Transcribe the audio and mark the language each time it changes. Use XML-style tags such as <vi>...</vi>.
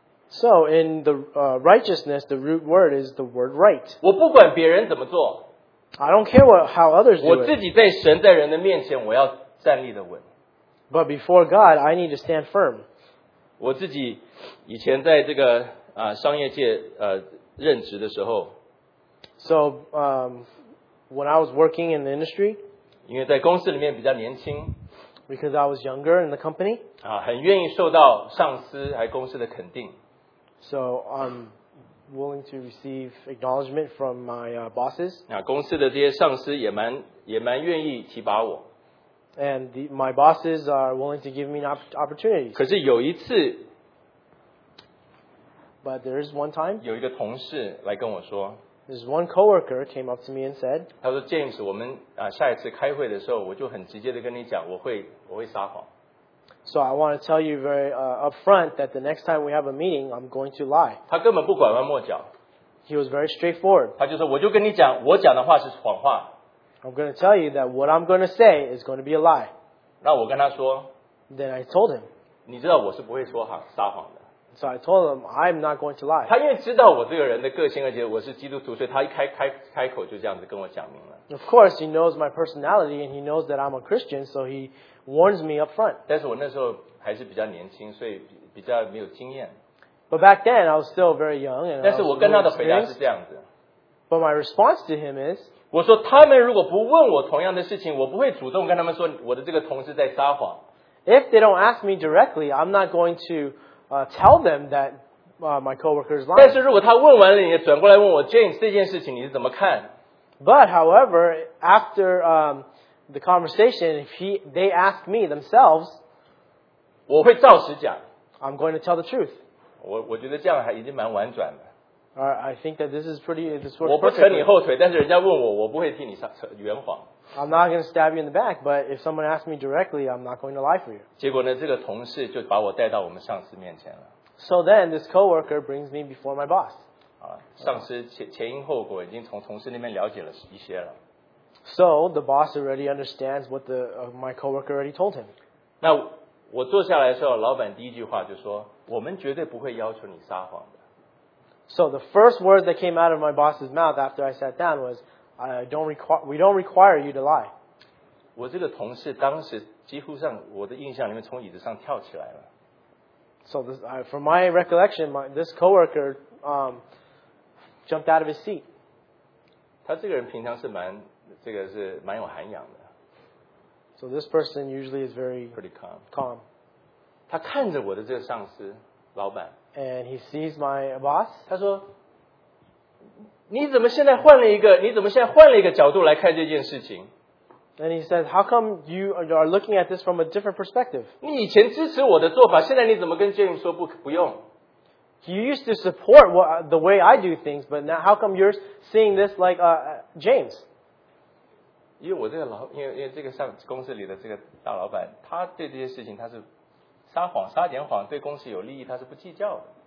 <en>So in the righteousness, the root word is the word right.</en> <zh>我不管别人怎么做。</zh> <en>I don't care what, how others do it.</en> <zh>我自己在神在人的面前我要站立的稳。</zh> <en>But before God, I need to stand firm.</en> <zh>我自己以前在这个商业界任职的时候。</zh> <en>So, when I was working in the industry.</en> <zh>因为在公司里面比较年轻。</zh> <en>Because I was younger in the company.</en> <zh>很愿意受到上司还公司的肯定。</zh> <en>So, willing to receive acknowledgement from my bosses.</en> <zh>公司的这些上司也蛮愿意提拔我。</zh> <en>And my bosses are willing to give me an opportunity.</en> <zh>可是有一次</zh> <en>But there is one time.</en> <zh>有一个同事来跟我说</zh> <en>This one coworker came up to me and said.</en> <zh>他说 James, 我们下一次开会的时候我就很直接的跟你讲我会撒谎。</zh> <en>So I want to tell you very upfront that the next time we have a meeting, I'm going to lie.</en> <zh>他根本不拐弯抹角。</zh> <en>He was very straightforward.</en> <zh>他就说我就跟你讲我讲的话是谎话。</zh> <en>I'm going to tell you that what I'm going to say is going to be a lie.</en> <zh>那我跟他说。</zh> <en>Then I told him.</en> <zh>你知道我是不会说谎撒谎的。</zh> <en>So I told him, I'm not going to lie.</en> <zh>他因为知道我这个人的个性而且我是基督徒所以他一 开口就这样子跟我讲明了。</zh> <en>Of course, he knows my personality and he knows that I'm a Christian, so he warns me up front.</en> <zh>但是我那时候还是比较年轻所以比较没有经验。</zh> <en>But back then, I was still very young. And</en> <zh>但是我跟他的回答是这样子。</zh> <en>But my response to him is,</en> <zh>我说他们如果不问我同样的事情我不会主动跟他们说我的这个同事在撒谎。</zh> <en>If they don't ask me directly, I'm not going to tell them that my coworker is lying.</en> <zh>但是如果他问完了你也转过来问我 James, 这件事情你是怎么看？</zh> <en>But however, after the conversation, if they ask me themselves,</en> <zh>我会照实讲。</zh> <en>I'm going to tell the truth.</en> <zh>我觉得这样还已经蛮婉转的。</zh> <en>I think that this works perfectly.</en> <zh>我不扯你后腿，但是人家问我，我不会替你圆谎。</zh> <en>I'm not going to stab you in the back, but if someone asks me directly, I'm not going to lie for you.</en> <zh>结果呢，这个同事就把我带到我们上司面前了。</zh> <en>So then, this coworker brings me before my boss.</en> <zh>上司前因后果已经从同事那边了解了一些了。</zh> <en>So the boss already understands what my coworker already told him.</en> <zh>那我坐下来的时候，老板第一句话就说：“我们绝对不会要求你撒谎的。”</zh> <en>So the first word that came out of my boss's mouth after I sat down was, we don't require you to lie.</en> <zh>我这个同事当时几乎上我的印象里面从椅子上跳起来了。</zh> <en>So from my recollection, this coworker jumped out of his seat.</en> <zh>他这个人平常是蛮有涵养的。</zh> <en>So this person usually is very pretty calm. Calm.</en> <zh>他看着我的这个上司老板。</zh> <en>And he sees my boss.</en> <zh>他说：“你怎么现在换了一个？你怎么现在换了一个角度来看这件事情</zh> <en>？”And he says, "How come you are looking at this from a different perspective?"</en> <zh>你以前支持我的做法，现在你怎么跟 James 说不用</zh> <en>？You used to support the way I do things, but now how come you're seeing this like James?</en> <zh>因为我这个老，因为这个上公司里的这个大老板，他对这些事情他是。撒谎撒点谎对公司有利益他是不计较的。</zh>